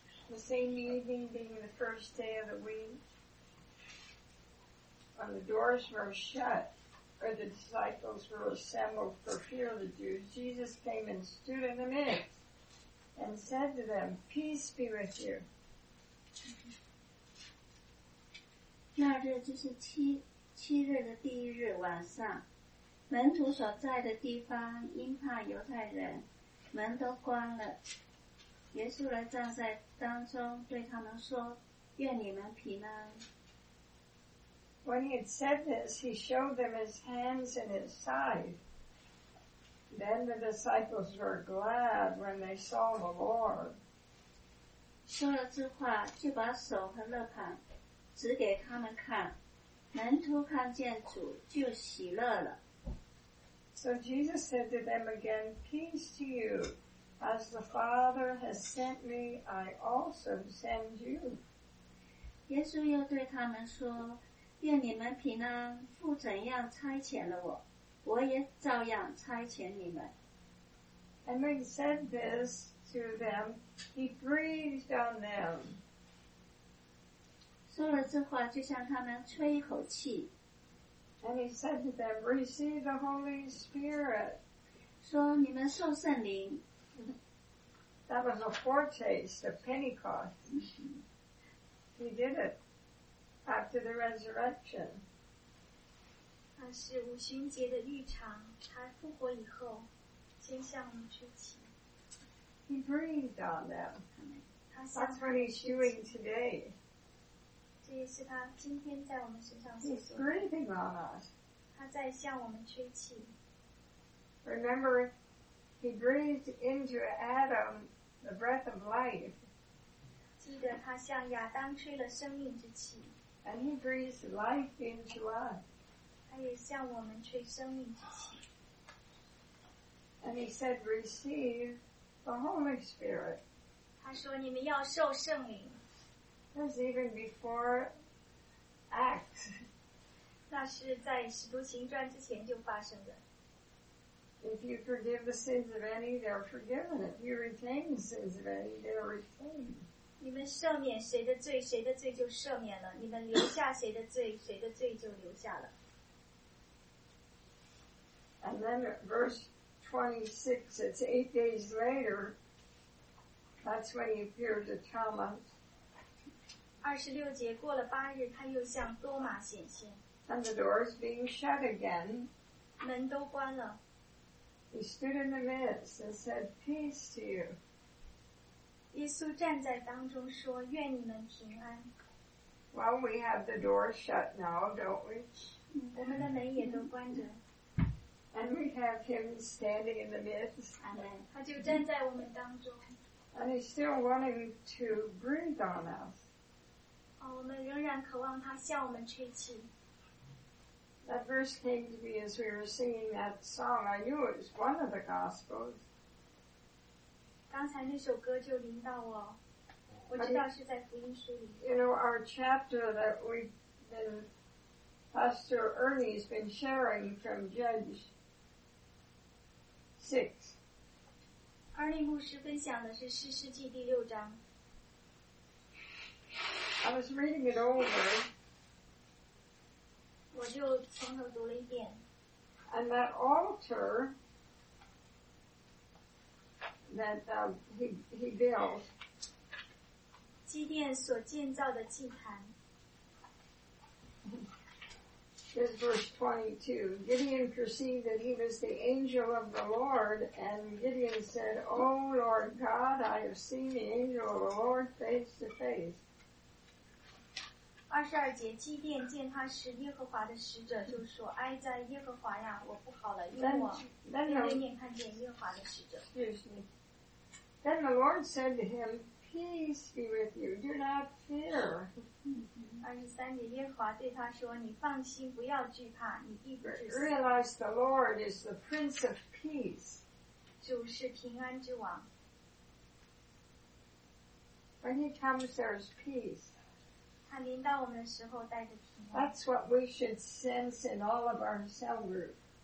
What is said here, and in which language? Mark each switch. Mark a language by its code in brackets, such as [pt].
[en] The same evening being the first day of the week, when the doors were shut, or the disciples were assembled for fear of the Jews, Jesus came and stood in the midst and said to them, "Peace be with you." Mm-hmm. [zh] 那日就是七日的第一日晚上，门徒所在的地方因怕犹太人，门都关了。耶稣来站在当中，对他们说，愿你们平安。 [en] When he had said this, he showed them his hands and his side. Then the disciples were glad when they saw the Lord. [zh] 说了这话，就把手和肋旁指给他们看。门徒看见主，就喜乐了。 [en] So Jesus said to them again, "Peace to you. As the Father has sent me, I also send you." [zh] 耶稣又对他们说，愿你们平安，父怎样差遣了我，我也照样差遣你们。 [en] And when he said this to them, he breathed on them. [zh] 说了这话，就向他们吹一口气。 [en] And he said to them, "Receive the Holy Spirit." [zh] 说你们受圣灵。 [en] That was a foretaste of Pentecost. He did it. After the resurrection. [zh] 他是五旬节的预尝，他复活以后，先向我们吹气。 [en] He breathed on them. That's what he's doing today. [zh] 这也是他今天在我们身上所做。 [en] He's breathing on us. [zh] 他在向我们吹气。 [en] Remember, he breathed into Adam the breath of life. [zh] 记得他向亚当吹了生命之气。 [en] And he breathes life into us. [zh] 他也向我们吹生命之气。 [en] And he said, "Receive the Holy Spirit." [zh] 他说你们要受圣灵。 [en] That's even before Acts. [zh] 那是在使徒行传之前就发生的。 [en] If you forgive the sins of any, they are forgiven. If you retain the sins of any, they are retained. [zh] 你们赦免谁的罪，谁的罪就赦免了；你们留下谁的罪，谁的罪就留下了。 [en] And then verse 26, it's 8 days later. That's when he appeared to Thomas. [zh] 26节过了八日，他又向多马显现。 [en] And the doors being shut again. [zh] 门都关了。 [en] He stood in the midst and said, "Peace to you." [zh] 耶稣站在当中说，愿你们平安。 [en] Well, we have the door shut now, don't we? [zh] 我们的门也都关着。 [en] And we have him standing in the midst. [zh] Amen. 他就站在我们当中。 [en] And he's still wanting to breathe on us. [zh] 我们仍然渴望他向我们吹气。 [en] That verse came to me as we were singing that song. I knew it was one of the Gospels. [zh] 刚才那首歌就临到我，我知道是在福音书里。 [en] You know, our chapter that Pastor Ernie's been sharing from Judges 6. [zh] Ernie 牧师分享的是《诗诗记》第六章。 [en] I was reading it over. [zh] 我就从头读了一遍。 [en] And that altar. That he built. [zh] 基甸所建造的祭坛。 [en] is verse 22. Gideon perceived that he was the angel of the Lord, and Gideon said, Oh, Lord God, I have seen the angel of the Lord face to face. [zh] 22节, 基甸见他是耶和华的使者就说, 哀哉耶和华呀, 我不好了,因为我天天眼看见耶和华的使者。 [en] Then the Lord said to him, Peace be with you, do not fear. [zh] 23节, 耶和华对他说, 你放心, 不要惧怕, [en] Realize the Lord is the Prince of Peace. [zh] 主是平安之王。 [en] When he comes, there is peace. [zh] 他临到我们的时候带着平安。 [en] That's what we should sense in all of our cell group.